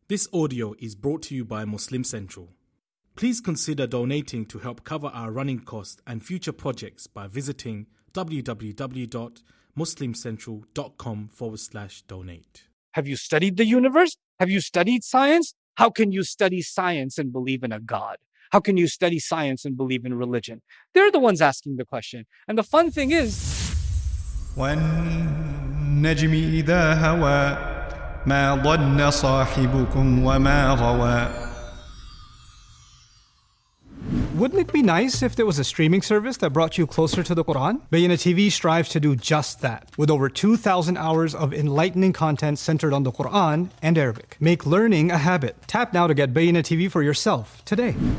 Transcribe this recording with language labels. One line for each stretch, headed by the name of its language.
English: This audio is brought to you by Muslim Central. Please consider donating to help cover our running costs and future projects by visiting www.muslimcentral.com/donate. Have you studied the universe? Have you studied science? How can you study science and believe in a God? How can you study science and believe in religion? They're the ones asking the question. And the fun thing is,
Arabic: when najmi idha hawa مَا ضَنَّ صَاحِبُكُمْ وَمَا غَوَى.
English: Wouldn't it be nice if there was a streaming service that brought you closer to the Quran? Bayana TV strives to do just that, with over 2,000 hours of enlightening content centered on the Quran and Arabic. Make learning a habit. Tap now to get Bayana TV for yourself today.